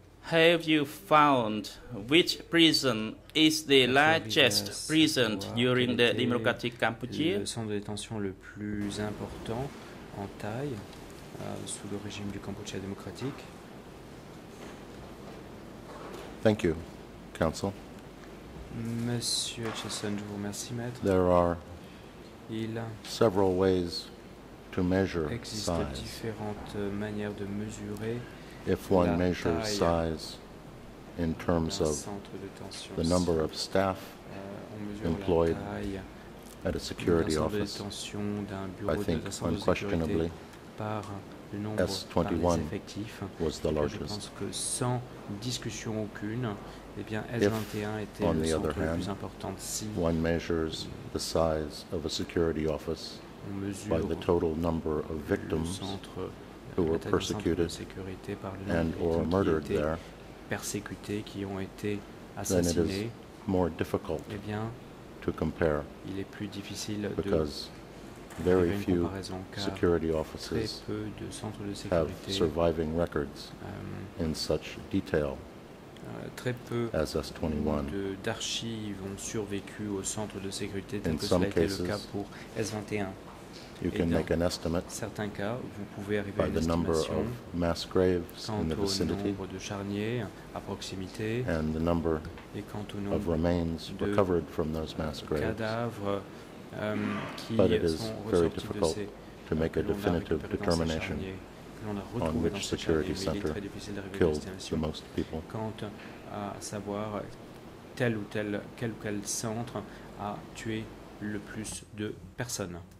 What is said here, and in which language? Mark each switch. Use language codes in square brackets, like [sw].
[en] have you found which prison is the largest prison during the Democratic Cambodia? [fr] Le centre de détention le plus important en taille sous le régime du Cambodge démocratique. [en] Thank you, counsel. [fr] Monsieur Etcheson, je vous remercie, maître. [en] There are several ways to measure size. [fr] Différentes manières de mesurer [en] if one measures size in terms of the number of staff employed at a security office, I think unquestionably S21 was the largest. [fr] Sans discussion aucune, eh bien S21 était le centre le plus important. [en] Si one measures the size of a security office by the total number of victims who were persecuted and or murdered there, then it is more difficult to compare. [fr] Il est plus difficile [en] because very few security offices have surviving records in such detail as S21. [fr] D'archives ont survécu au centre de sécurité tel que cela était le cas pour S21. [en] You can make an estimate [fr] certains cas, vous pouvez arriver [en] by the number of mass graves [fr] quant [en] in the vicinity [fr] au nombre de charniers à proximité, [en] and the number [fr] et quant au nombre [en] of remains [fr] de [en] recovered from those mass graves. [fr] Cadavres, [en] but it is very difficult to make a definitive determination on which security center killed the most people. [fr] Quant à savoir quel ou tel centre a tué le plus de personnes.